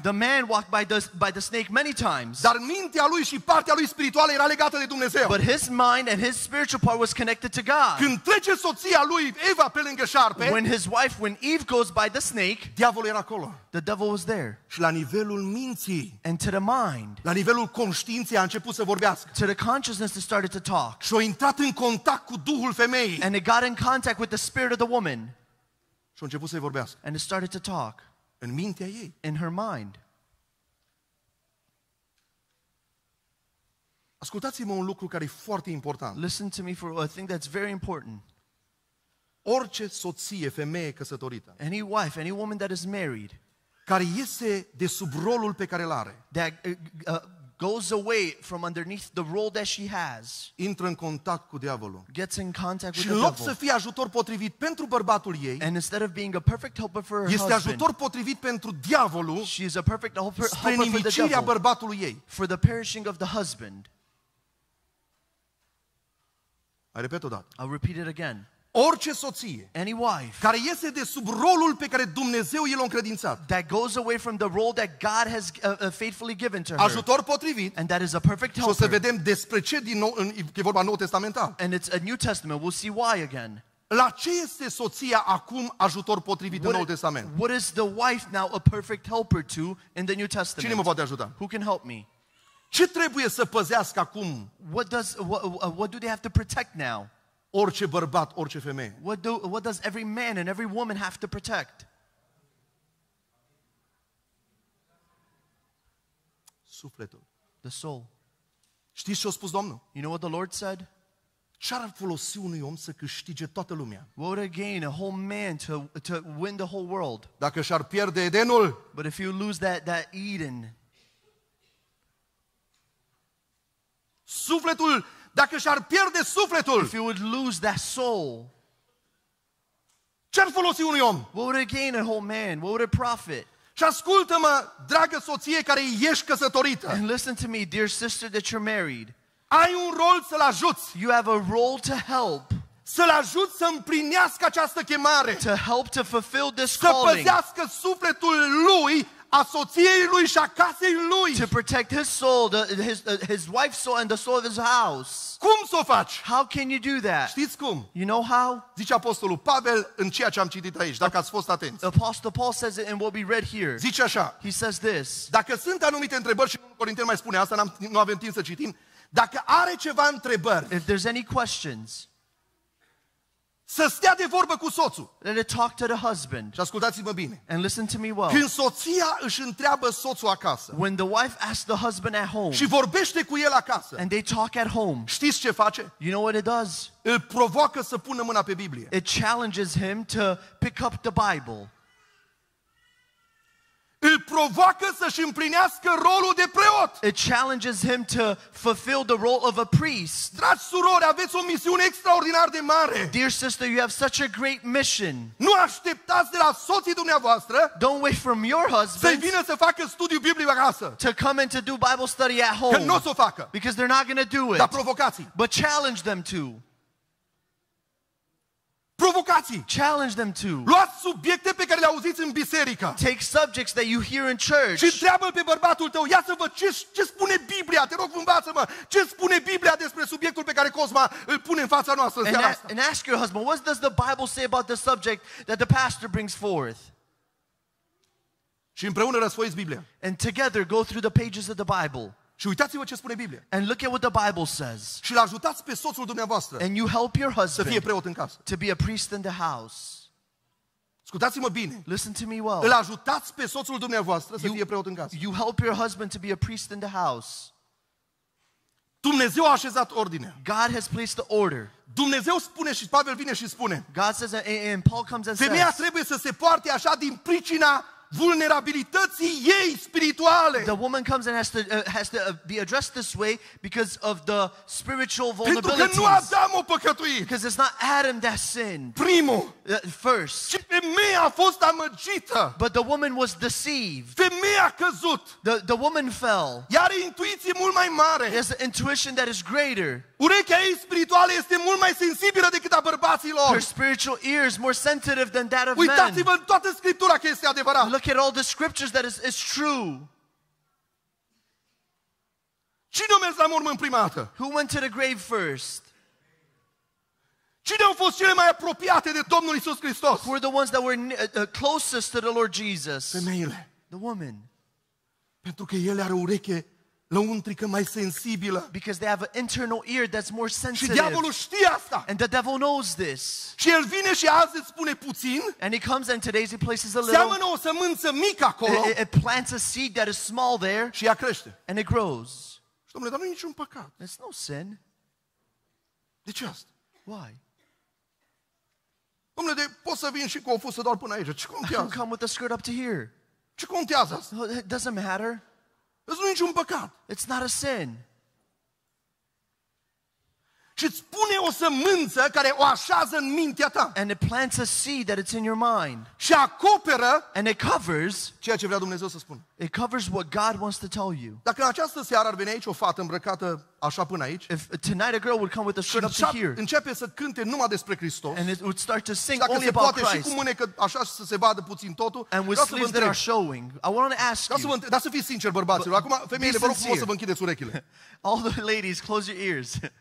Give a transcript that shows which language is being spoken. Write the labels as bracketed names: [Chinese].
[English] The man walked by the snake many times. [Romanian] Dar mintea lui și partea lui spirituală era legată de Dumnezeu. [English] But his mind and his spiritual part was connected to God. [Romanian] Când trece soția lui Eva pe lângă șarpe, [English] when Eve goes by the snake, [Romanian] diavolul era acolo. [English] The devil was there. [Romanian] Și la nivelul minții, [English] and to the mind, [Romanian] la nivelul conștiinței a început să vorbească. [English] To the consciousness it started to talk. [Romanian] Și a intrat în contact cu duhul femeii. [English] And it got in contact with the spirit of the woman. [Romanian] Și a început să vorbească. [English] And it started to talk. [Romanian] În mintea ei. [English] In her mind. [Romanian] Ascultați-mă un lucru care e foarte important. [English] Listen to me for a thing that's very important. [Romanian] Orice soție, femeie căsătorită. [English] Any wife, any woman that is married. [Romanian] Care iese de sub rolul pe care îl are. [English] Goes away from underneath the role that she has. [Romanian] Intră în contact cu diavolul. [English] Gets in contact with the devil. [Romanian] Și în loc să fie ajutor potrivit pentru bărbatul ei. [English] And instead of being a perfect helper for her husband. [Romanian] Este ajutor potrivit pentru diavolul. [English] She is a perfect helper for the devil. [Romanian] Spre nimicirea bărbatului ei. [English] For the perishing of the husband. I repeat it again. I'll repeat it again. [Romanian] Orice soție, [English] any wife, [Romanian] care iese de sub rolul pe care Dumnezeu i-l-a încredințat, [English] that goes away from the role that God has faithfully given to her, [Romanian] ajutor potrivit, [English] and that is a perfect helper. [Romanian] Și o să vedem despre ce din nou, e vorba nou testamental. [English] And it's a New Testament. We'll see why again. [Romanian] La ce este soția acum ajutor potrivit în Noul Testament? [English] What is the wife now a perfect helper to in the New Testament? [Romanian] Cine mă poate ajuta? [English] Who can help me? [Romanian] Ce trebuie să păzească acum? [English] What do they have to protect now? [Romanian] Orice bărbat, orice femeie. [English] What does every man and every woman have to protect? [Romanian] Sufletul. [English] The soul. [Romanian] Știți ce a spus Domnul? [English] You know what the Lord said? [Romanian] Ce-ar folosi unui om să câștige toată lumea? [English] What would it gain a whole man to win the whole world? [Romanian] Dacă și-ar pierde Edenul? [English] But if you lose that Eden. [Romanian] Sufletul, dacă și-ar pierde sufletul. [English] If you would lose that soul. [Romanian] Ce-ar folosi unui om? [English] What would it gain a whole man? What would it profit? [Romanian] Și ascultă-mă, dragă soție care ești căsătorită. [English] And listen to me, dear sister that you're married. [Romanian] Ai un rol să-l ajuți. [English] You have a role to help. [Romanian] Să-l ajuți să împlinească această chemare. [English] To help to fulfill this calling. [Romanian] Să păzească sufletul lui, a soției lui și a casei lui. [English] To protect his soul, his wife's soul and the soul of his house. [Romanian] Cum s-o faci? [English] How can you do that? [Romanian] Știți cum? [English] You know how? [Romanian] Zice apostolul Pavel în ceea ce am citit aici, dacă ați fost atenți. [English] Apostle Paul says it in what we read here. [Romanian] Zice așa. [English] He says this. [Romanian] Dacă sunt anumite întrebări și unul Corinteni mai spune asta, nu avem timp să citim. Dacă are ceva întrebări. [English] If there's any questions. [Romanian] Să stea de vorbă cu soțul. [English] Let it talk to the husband. [Romanian] Și ascultați-mă bine. [English] And listen to me well. [Romanian] Când soția își întreabă soțul acasă. [English] When the wife asks the husband at home. [Romanian] Și vorbește cu el acasă. [English] And they talk at home. [Romanian] Știți ce face? [English] You know what it does? [Romanian] Îl provoacă să pună mâna pe Biblie. [English] It challenges him to pick up the Bible. [Romanian] Îl provoacă să-și împlinească rolul de preot. [English] It challenges him to fulfill the role of a priest. [Romanian] Dragi surori, aveți o misiune extraordinar de mare. [English] Dear sister, you have such a great mission. [Romanian] Nu așteptați de la soții dumneavoastră. [English] Don't wait from your husband. [Romanian] Să vină să facă studiu biblic acasă. [English] To come and to do Bible study at home. [Romanian] Că nu o să facă. [English] Because they're not going to do it. [Romanian] Dar provocați. [English] But challenge them to. [Romanian] Provocați. [English] Challenge them to. [Romanian] Luați subiecte pe care le auziți în biserică. [English] Take subjects that you hear in church. [Romanian] Și întreabă-l pe bărbatul tău. Ia să văd ce spune Biblia. Te rog, învață-mă. Ce spune Biblia despre subiectul pe care Cosma îl pune în fața noastră în seara asta? [English] And ask your husband, what does the Bible say about the subject that the pastor brings forth? [Romanian] Și împreună răsfoiți Biblia. [English] And together go through the pages of the Bible. [Romanian] Și uitați-vă ce spune Biblia. [English] And look at what the Bible says. [Romanian] Și l-ajutați pe soțul dumneavoastră. [English] And you help your husband. [Romanian] Să fie preot în casă. [English] To be a priest in the house. [Romanian] Ascultați-mă bine. [English] Listen to me well. [Romanian] Îl ajutați pe soțul dumneavoastră să fie preot în casă. [English] You help your husband to be a priest in the house. [Romanian] Dumnezeu a așezat ordinea. [English] God has placed the order. [Romanian] Dumnezeu spune și Pavel vine și spune. [English] God says and Paul comes and says. [Romanian] Femeia trebuie să se poarte așa din pricina vulnerabilității ei spirituale. [English] The woman comes and has to be addressed this way because of the spiritual vulnerabilities. [Romanian] Pentru că nu Adam a păcătuit. [English] Because it's not Adam that sinned. [Romanian] Primul. [English] First. [Romanian] Și femeia a fost amăgită. [English] But the woman was deceived. [Romanian] Femeia a căzut. [English] The woman fell. [Romanian] Ea are intuiție mult mai mare. [English] She has an intuition that is greater. [Romanian] Urechea ei spirituală este mult mai sensibilă decât a bărbaților. [English] Her spiritual ear is more sensitive than that of men. [Romanian] Uitați-vă în toată Scriptura că este adevărat. [English] Look at all the scriptures that is true. [Romanian] Cine a mers la mormânt prima dată? [English] Who went to the grave first? [Romanian] Cine au fost cele mai apropiate de Domnul Iisus Hristos? [English] Who were the ones that were closest to the Lord Jesus? [Romanian] Femeile. [English] The woman. [Romanian] Pentru că ele are ureche lăuntrică mai sensibilă. [English] Because they have an internal ear that's more sensitive. [Romanian] Și diavolul știe asta. [English] And the devil knows this. [Romanian] Și el vine și azi îți spune puțin. [English] And he comes and today he places a little. [Romanian] Seamănă o sămânță mică acolo. [English] It plants a seed that is small there. [Romanian] Și ea crește. [English] And it grows. [Romanian] Și domnule, dar nu e niciun păcat. [English] It's no sin. [Romanian] De ce asta? [English] Why? [Romanian] Domnule, de pot să vin și cu o fusă doar până aici. Ce contează? [English] I can come with a skirt up to here. [Romanian] Ce contează? [English] It doesn't matter. [Romanian] Nu e niciun păcat. [English] It's not a sin. [Romanian] Și îți pune o sămânță care o așează în mintea ta. [English] And it plants a seed that it's in your mind. [Romanian] Și acoperă. [English] And it covers. [Romanian] Ceea ce vrea Dumnezeu să spună. [English] It covers what God wants to tell you. [Romanian] Dacă în această seară ar veni aici o fată îmbrăcată așa până aici. [English] If tonight a girl would come with a skirt up to here. [Romanian] Începe să cânte numai despre Hristos. [English] And it would start to sing only about Christ. [Romanian] Și dacă se poate și cu mâne că așa să se vadă puțin totul. [English] And with sleeves that are showing. I want to ask you. [Romanian] Dar să fiți sinceri, bărbaților. Acum, femeile, vă rog frumos să vă închideți urechile. [English] All the ladies, close your ears.